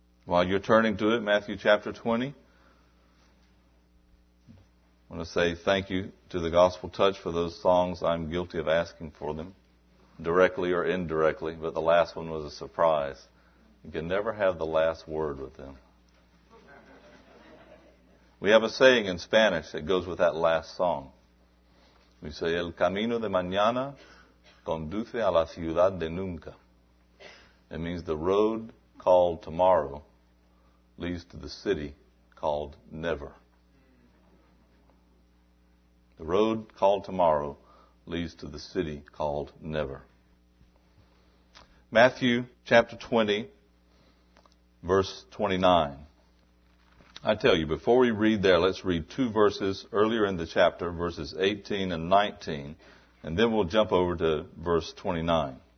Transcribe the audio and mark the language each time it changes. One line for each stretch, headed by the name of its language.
English: While you're turning to it, Matthew chapter 20, I want to say thank you to the Gospel Touch for those songs. I'm guilty of asking for them, directly or indirectly, but the last one was a surprise. You can never have the last word with them. We have a saying in Spanish that goes with that last song. We say,
Spanish: El camino de mañana conduce a la ciudad de nunca.
English: It means the road called tomorrow leads to the city called never. The road called tomorrow leads to the city called never. Matthew chapter 20, verse 29. I tell you, before we read there, let's read 2 verses earlier in the chapter, verses 18 and 19, and then we'll jump over to verse 29.